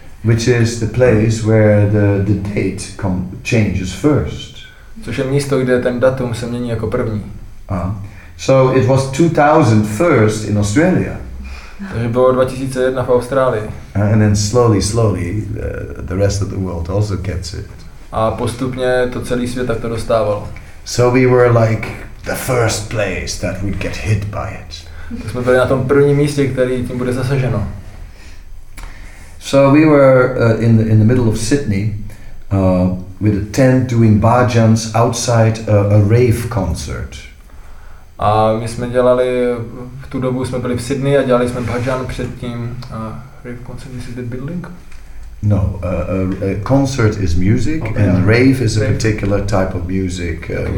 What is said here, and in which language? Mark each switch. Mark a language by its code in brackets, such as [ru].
[en] Which is the place where the date changes first. [cs] Což je místo, kde ten datum se mění jako první. [en] So it was 2000 first in Australia. [cs] Takže bylo 2001 v Austrálii. [en] And then slowly the rest of the world also gets it. [cs] A postupně to celý svět tak to dostával. [en] So we were like the first place that would get hit by it. [cs] Tak jsme byli na tom prvním místě, který tím bude zasaženo. [en] So we were in the middle of Sydney with a tent doing bhajans outside a rave concert. [cs] A my jsme dělali, v tu dobu jsme byli v Sydney a dělali jsme bhajan před tím [en] rave concert, is it the building? No, a concert is music, okay. And rave is rave. A particular type of music okay.